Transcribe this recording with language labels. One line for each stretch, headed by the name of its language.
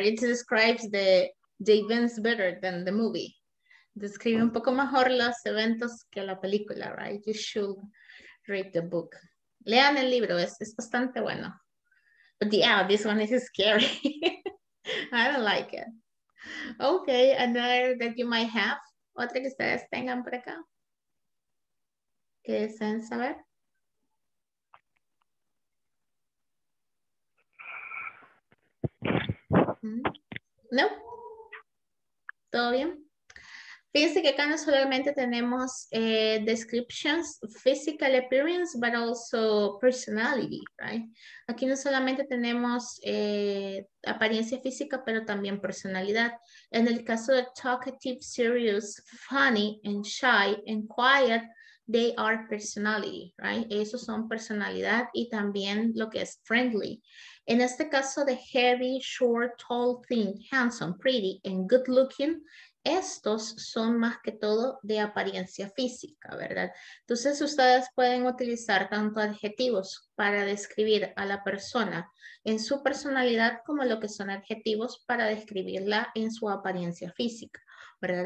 English: It describes the events better than the movie.
Spanish: Describe un poco mejor los eventos que la película, right?
English: You should read the book.
Spanish: Lean el libro. Es bastante bueno.
English: But yeah, this one is scary. I don't like it. Okay, another that you might have.
Spanish: ¿Otra que ustedes tengan por acá? ¿Qué deseen saber? ¿No? ¿Todo bien? Fíjense que acá no solamente tenemos
English: descriptions, physical appearance, but also personality, right?
Spanish: Aquí no solamente tenemos apariencia física, pero también personalidad. En el caso de
English: talkative, serious, funny, and shy, and quiet, they are personality, right?
Spanish: Esos son personalidad y también lo que es friendly. En este caso de
English: heavy, short, tall, thin, handsome, pretty, and good looking,
Spanish: Estos son más que todo de apariencia física, ¿verdad? Entonces ustedes pueden utilizar tanto adjetivos para describir a la persona en su personalidad como lo que son adjetivos para describirla en su apariencia física, ¿verdad?